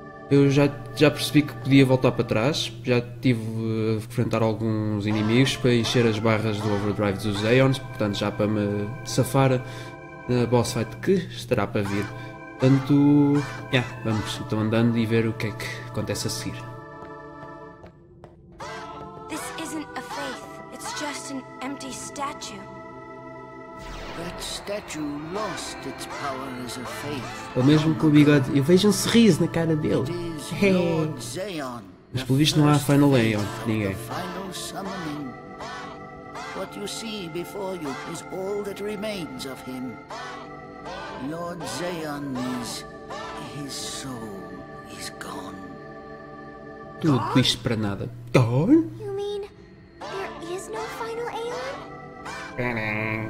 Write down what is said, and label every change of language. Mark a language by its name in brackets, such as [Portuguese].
[Portuguese] Eu já percebi que podia voltar para trás, já tive a enfrentar alguns inimigos para encher as barras do Overdrive dos Aeons, portanto já para me safar na boss fight que estará para vir. Portanto, vamos então andando e ver o que é que acontece a seguir. [English] This isn't a faith, it's just an empty statue. That statue lost its power as a faith. [Portuguese] Ou mesmo com o bigode, eu vejo um sorriso na cara dele. [English] It is Lord Zeon. [Portuguese] Mas pelo visto não há Final Aeon, ninguém. [English] Final summoning. What you see before you is all that remains of him. Lord Zeon is. His soul is gone. [Portuguese] Tudo isto para nada. [English] Gone? You mean. There is no Final Aeon?